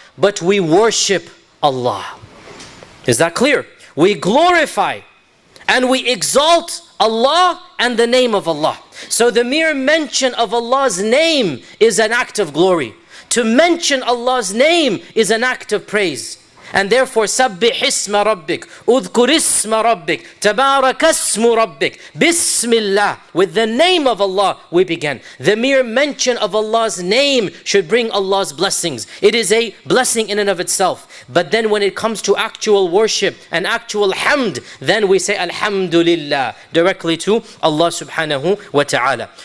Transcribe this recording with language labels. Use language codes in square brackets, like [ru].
[en] But we worship Allah. Is that clear? We glorify and we exalt Allah and the name of Allah. So the mere mention of Allah's name is an act of glory. To mention Allah's name is an act of praise. And therefore, [ar] سَبِّحْ اسْمَ رَبِّكْ اُذْكُرْ اسْمَ رَبِّكْ تَبَارَكَ اسْمُ رَبِّكْ بِسْمِ اللَّهِ. [en] With the name of Allah, we begin. The mere mention of Allah's name should bring Allah's blessings. It is a blessing in and of itself. But then when it comes to actual worship and actual hamd, then we say Alhamdulillah directly to Allah subhanahu wa ta'ala.